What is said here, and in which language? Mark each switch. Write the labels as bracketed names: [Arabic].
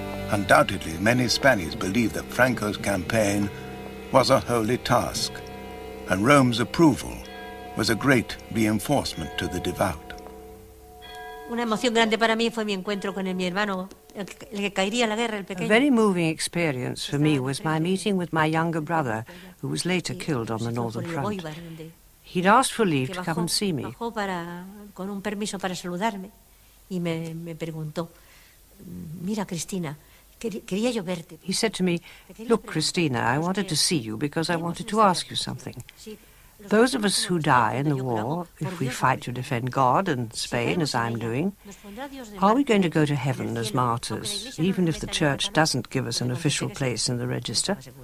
[English] Undoubtedly, many Spaniards believed that Franco's campaign was a holy task, and Rome's approval was a great reinforcement to the devout. [Spanish] Una emoción grande para mí fue mi encuentro con mi hermano, el que caería la guerra, el pequeño. [English] A very moving experience for me was my meeting with my younger brother, who was later killed on the northern front. He'd asked for leave to come and see me. [Spanish] Bajó con un permiso para saludarme y me preguntó, mira, Cristina. [English] He said to me, look, Cristina, I wanted to see you because I wanted to ask you something. Those of us who die in the war, if we fight to defend God and Spain, as I'm doing, are we going to go to heaven as martyrs, even if the church doesn't give us an official place in the register?